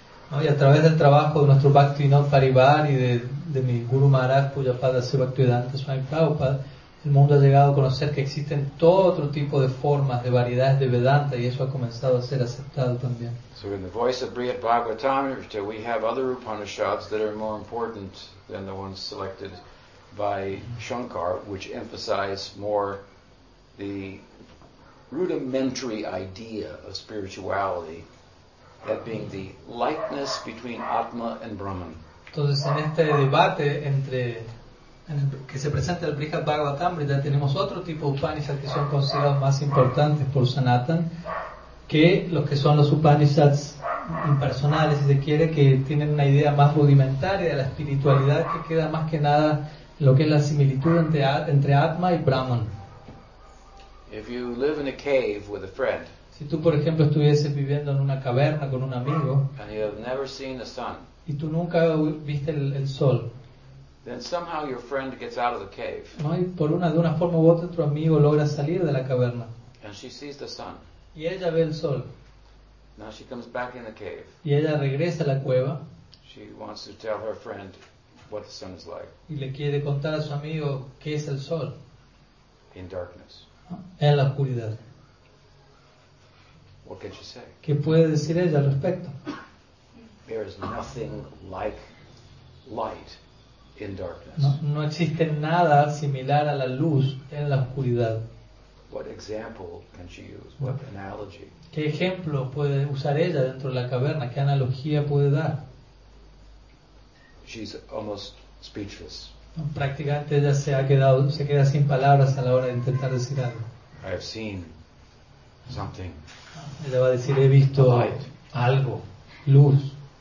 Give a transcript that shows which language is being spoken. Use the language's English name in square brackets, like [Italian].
[Spanish] No, y a través del trabajo de nuestro Bhakti Vinod Paribar y de mi Guru Maharaj Puchapadesi Bhaktivedanta Swami Prabhupada, el mundo ha llegado a conocer que existen todo otro tipo de formas, de variedades de Vedanta, y eso ha comenzado a ser aceptado también. [English] So in the voice of Brihat Bhagavatamrita, we have other Upanishads that are more important than the ones selected by Shankar, which emphasize more the rudimentary idea of spirituality, that being the likeness between Atma and Brahman. [Spanish] Entonces, en este debate entre que se presenta el Brihat Bhagavatamrita, tenemos otro tipo de Upanishads que son considerados más importantes por Sanatan que los que son los Upanishads impersonales, si se quiere, que tienen una idea más rudimentaria de la espiritualidad, que queda más que nada lo que es la similitud entre Atma y Brahman. [English] If you live in a cave with a friend, [Spanish] si tú, por ejemplo, estuvieses viviendo en una caverna con un amigo, [English] and you have never seen the sun, [Spanish] y tú nunca viste el sol, [English] then somehow your friend gets out of the cave. [Spanish] No, y por una forma u otra tu amigo logra salir de la caverna. [English] And she sees the sun. [Spanish] Y ella ve el sol. [English] Now she comes back in the cave. [Spanish] Y ella regresa a la cueva. [English] She wants to tell her friend what the sun is like. [Spanish] Y le quiere contar a su amigo qué es el sol. [English] In darkness. [Spanish] En la oscuridad. [English] What can she say? [Spanish] ¿Qué puede decir ella al respecto? [English] There is nothing like light. In darkness. [Spanish] No existe nada similar a la luz en la oscuridad. [English] What example can she use? What analogy? [Spanish] ¿Qué ejemplo puede usar ella dentro de la caverna? ¿Qué analogía puede dar? [English] She's almost speechless. [Spanish] Prácticamente ella se queda sin palabras a la hora de intentar decir algo. [English] I have seen something. [Spanish] Ella va a decir, he visto algo, luz.